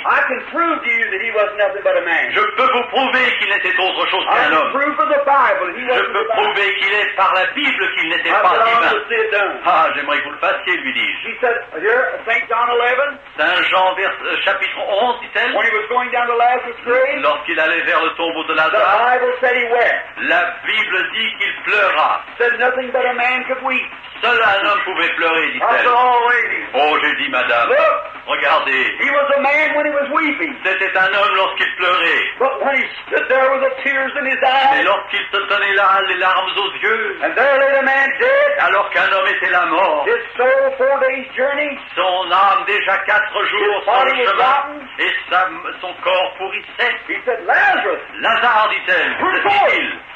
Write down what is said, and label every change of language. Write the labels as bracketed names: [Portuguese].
[English] I can prove to you that he was nothing but a man. [French] Je peux vous prouver qu'il n'était autre chose qu'un homme. [English] I can prove from the Bible he wasn't [French] je peux prouver qu'il est par la Bible qu'il n'était [English] I [French] pas divin. [English] To see it done. [French] Ah, j'aimerais que vous le fassiez, lui dis-je. [English] She said, here, Saint John 11. [French] Saint Jean, chapitre 11, dit-elle. [English] When he was going down to Lazarus' grave. [French] Lorsqu'il allait vers le tombeau de Lazare. [English] The Bible said he wept. [French] La Bible dit qu'il pleura. [English] Said nothing but a man could weep. [French] Seul un homme pouvait pleurer, dit-elle. Oh, j'ai dit, madame, [English] look, [French] regardez. [English] He was a man when he was weeping. [French] C'était un homme lorsqu'il pleurait. [English] But when he stood there with the tears in his eyes, [French] mais lorsqu'il se tenait là, les larmes aux yeux, [English] and there lay the man dead, [French] alors qu'un homme était là mort, [English] his soul 4 days journey, [French] son âme déjà 4 jours [English] his body [French] sur le chemin, [English] was rotten, [French] et son corps pourrissait. [English] He said, Lazarus, [French] Lazare, dit-elle, [English] put forth.